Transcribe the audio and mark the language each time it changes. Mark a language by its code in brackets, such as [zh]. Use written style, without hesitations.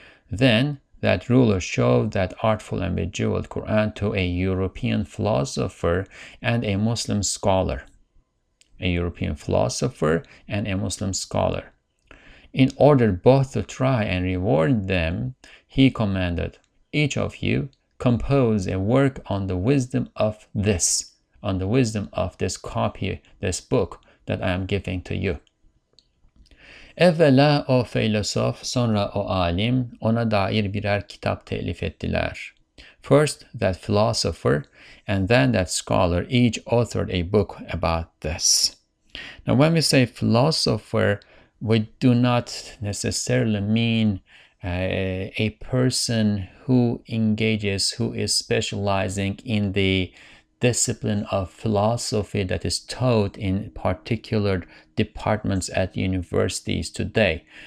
[en] Then that ruler showed that artful and bejeweled Quran to a European philosopher and a Muslim scholar. A European philosopher and a Muslim scholar. In order both to try and reward them, he commanded, each of you compose a work on the wisdom of this, on the wisdom of this copy, this book that I am giving to you. [tr] Evvela o filosof, sonra o alim, ona dair birer kitap telif ettiler. [en] First that philosopher, and then that scholar, each authored a book about this. Now, when we say philosopher, we do not necessarily mean a person who engages, who is specializing in the discipline of philosophy that is taught in particular departments at universities today.